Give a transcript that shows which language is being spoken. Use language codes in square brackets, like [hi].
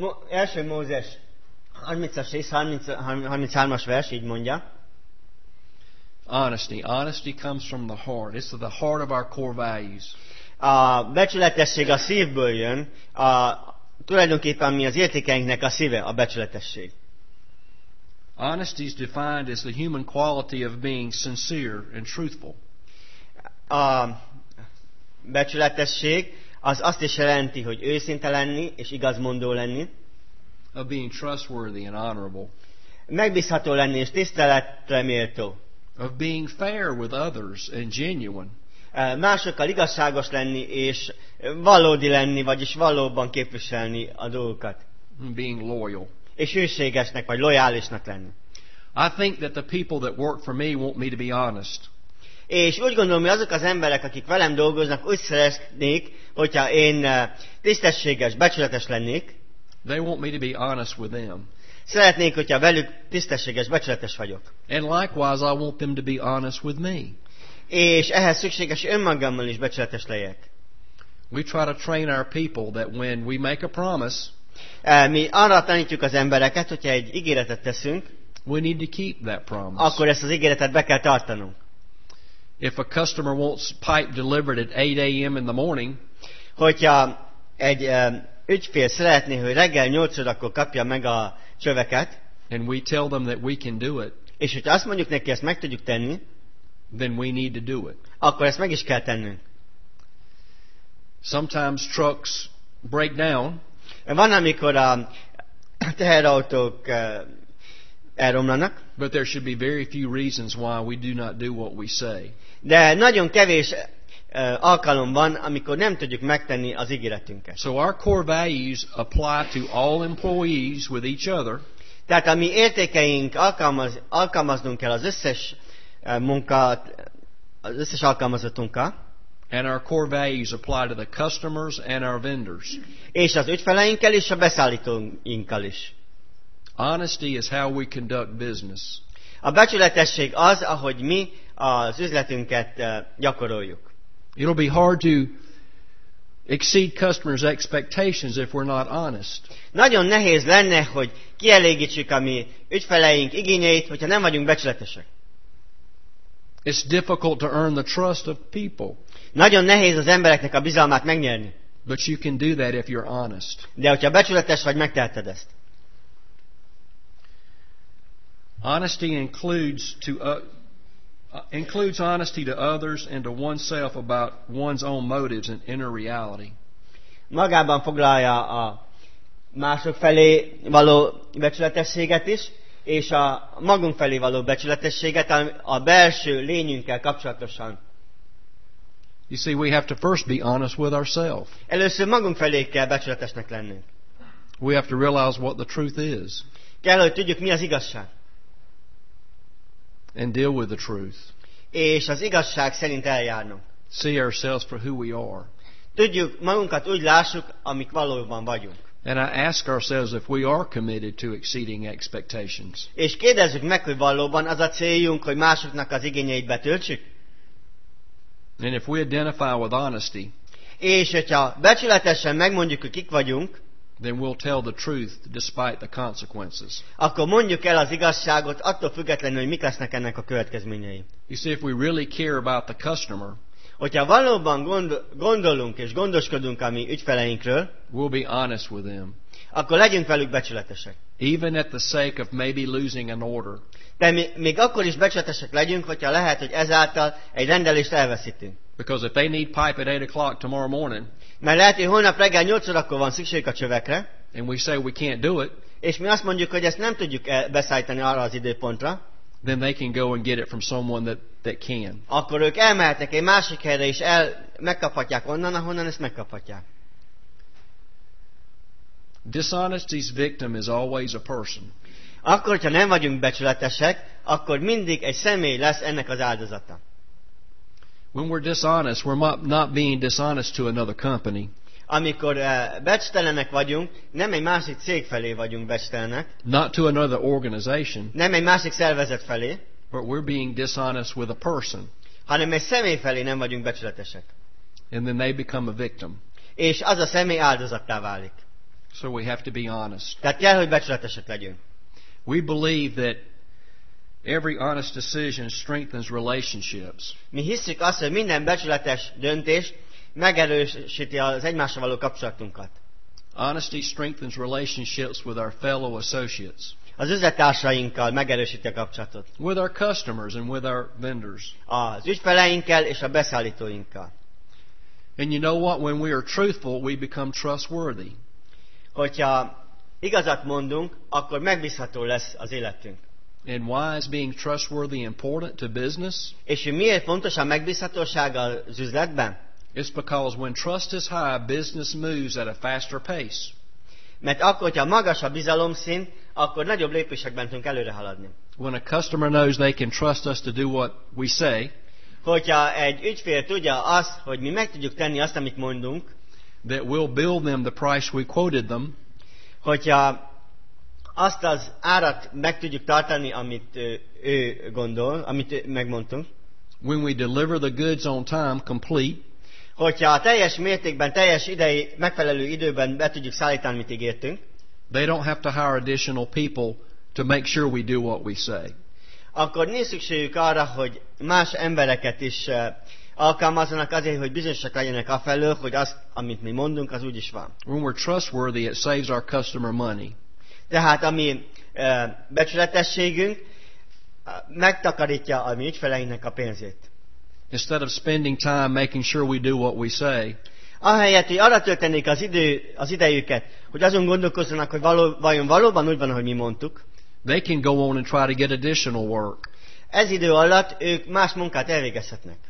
[hu] Első Mózes 33-as vers így mondja. [en] Honesty comes from the heart. It's the heart of our core values. [hu] A becsületesség a szívből jön. Tulajdonképpen mi az értékeinknek a szíve, a becsületesség. [en] Honesty is defined as the human quality of being sincere and truthful. [hu] A becsületesség az azt is jelenti, hogy őszinte lenni és igazmondó lenni. [en] Of being trustworthy and honorable. [hu] megbízható lenni és tiszteletre méltó. [en] Of being fair with others and genuine. [hu] Másokkal igazságos lenni és valódi lenni, vagyis valóban képviselni a dolgokat. [en] Being loyal. [hu] És hűségesnek vagy lojálisnak lenni. [en] I think that the people that work for me want me to be honest. [hu] És úgy gondolom, hogy azok az emberek, akik velem dolgoznak, úgy szeretnék, hogyha én tisztességes, becsületes lennék. [en] They want me to be honest with them. [hu] Szeretnék, hogyha velük tisztességes, becsületes vagyok. [en] And likewise, I want them to be honest with me. [hu] És ehhez szükséges önmagammal is becsületes legyek. [en] We try to train our people that when we make a promise, [hu] mi arra tanítjuk az embereket, hogyha egy ígéretet teszünk, [en] we need to keep that promise. [hu] Akkor ezt az ígéretet be kell tartanunk. [en] If a customer wants pipe delivered at 8 a.m. in the morning, [hu] hogyha egy ügyfél szeretné, hogy reggel 8 órakor kapja meg a csöveket, [en] and we tell them that we can do it, [hu] és hogyha azt mondjuk neki, ezt meg tudjuk tenni, [en] then we need to do it. [hu] Akkor ezt meg is kell tennünk. [en] Sometimes trucks break down. [hu] Van, amikor a teherautók elromlanak. [en] But there should be very few reasons why we do not do what we say. [hu] De nagyon kevés alkalom van, amikor nem tudjuk megtenni az ígéretünket. [en] So our core values apply to all employees with each other. [hu] Tehát a mi értékeink alkalmaznunk kell az összes munkát, az összes alkalmazottunkat. [en] And our core values apply to the customers and our vendors. [hu] És az ügyfeleinkkel is, a beszállítóinkkal is. [en] Honesty is how we conduct business. [hu] A becsületesség az, ahogy mi az üzletünket gyakoroljuk. [en] It'll be hard to exceed customers' expectations if we're not honest. [hu] Nagyon nehéz lenne, hogy kielégítsük a mi ügyfeleink igényeit, hogyha nem vagyunk becsületesek. [en] It's difficult to earn the trust of people. [hu] Nagyon nehéz az embereknek a bizalmát megnyerni. [en] But you can do that if you're honest. [hu] De hogyha becsületes vagy, megteheted ezt. [en] Honesty includes includes honesty to others and to oneself about one's own motives and inner reality. [hu] Magában foglalja a mások felé való becsületességet is, és a magunk felé való becsületességet, a belső lényünkkel kapcsolatosan. [en] You see, we have to first be honest with ourselves. [hu] Először magunk felé kell becsületesnek lennünk. [en] We have to realize what the truth is. [hu] Kell, hogy tudjuk, mi az igazság. [en] And deal with the truth. [hu] És az igazság szerint eljárnunk. [en] See ourselves for who we are. [hu] Tudjuk, magunkat úgy lássuk, amik valóban vagyunk. [en] And I ask ourselves if we are committed to exceeding expectations. [hu] És kérdezzük meg, hogy valóban az a céljunk, hogy másoknak az igényeit betöltsük. [en] And if we identify with honesty, [hu] és hogyha becsületesen megmondjuk, hogy kik vagyunk, [en] then we'll tell the truth despite the consequences. [hu] Akkor mondjuk el az igazságot, attól függetlenül, hogy mik lesznek ennek a következményei. [en] You see, if we really care about the customer, [hu] hogyha valóban gondolunk és gondoskodunk a mi ügyfeleinkről, [en] we'll be honest with them. [hu] Akkor legyünk velük becsületesek. [en] Even at the sake of maybe losing an order. [hu] De még akkor is becsületesek legyünk, hogyha lehet, hogy ezáltal egy rendelést elveszítünk. [en] Because if they need pipe at 8 o'clock tomorrow morning, [hu] mert lehet, hogy holnap reggel 8 órakor van szükség a csövekre, [en] and we say we can't do it, [hu] és mi azt mondjuk, hogy ezt nem tudjuk beszállítani arra az időpontra, [en] then they can go and get it from someone that can. [hu] Akkor ők elmehetnek egy másik helyre, és megkaphatják onnan, ahonnan ezt megkaphatják. [en] Dishonesty's victim is always a person. [hu] Akkor, hogyha nem vagyunk becsületesek, akkor mindig egy személy lesz ennek az áldozata. [en] When we're dishonest, we're not being dishonest to another company. [hu] Amikor becstelenek vagyunk, nem egy másik cég felé vagyunk becstelenek. [en] Not to another organization. [hu] Nem egy másik szervezet felé. [en] But we're being dishonest with a person. [hu] Hanem egy személy felé nem vagyunk becsületesek. [en] And then they become a victim. [hu] És az a személy áldozattá válik. [en] So we have to be honest. [hu] Tehát kell, hogy becsületesek legyünk. [en] We believe that every honest decision strengthens relationships. [hu] Mi hiszük azt, hogy minden becsületes döntés megerősíti az egymással való kapcsolatunkat. [en] Honesty strengthens relationships with our fellow associates. [hu] Az üzlettársainkkal megerősíti a kapcsolatot. [en] With our customers and with our vendors. [hu] Az ügyfeleinkkel és a beszállítóinkkal. [en] And you know what? When we are truthful, we become trustworthy. [hu] Hogyha igazat mondunk, akkor megbízható lesz az életünk. [en] And why is being trustworthy important to business? [hu] És miért fontos a megbízhatóság az üzletben? [en] It's because when trust is high, business moves at a faster pace. [hu] Mert akkor, hogyha magas a bizalomszint, akkor nagyobb lépésekben tudunk előre haladni. [en] When a customer knows they can trust us to do what we say, [hu] hogyha egy ügyfél tudja azt, hogy mi meg tudjuk tenni azt, amit mondunk, [en] that we'll bill them the price we quoted them, [hu] hogyha azt az árat meg tudjuk tartani, amit ő gondol, amit megmondtunk, [en] when we deliver the goods on time complete, [hu] hogyha teljes mértékben, teljes idei, megfelelő időben be tudjuk szállítani, amit ígértünk, [en] they don't have to hire additional people to make sure we do what we say. [hu] Akkor nincs szükségük arra, hogy más embereket is alkalmazzanak azért, hogy bizonyosak legyenek afelől, hogy az, amit mi mondunk, az úgy is van. [en] When we're trustworthy, it saves our customer money. [hu] Tehát a mi becsületességünk megtakarítja a mi ügyfeleinknek a pénzét. [en] Instead of spending time making sure we do what we say, [hu] ahelyett, hogy arra töltenék az idejüket, hogy azon gondolkozzanak, hogy vajon valóban úgy van, ahogy mi mondtuk, [en] they can go on and try to get additional work. [hu] Ez idő alatt ők más munkát elvégezhetnek.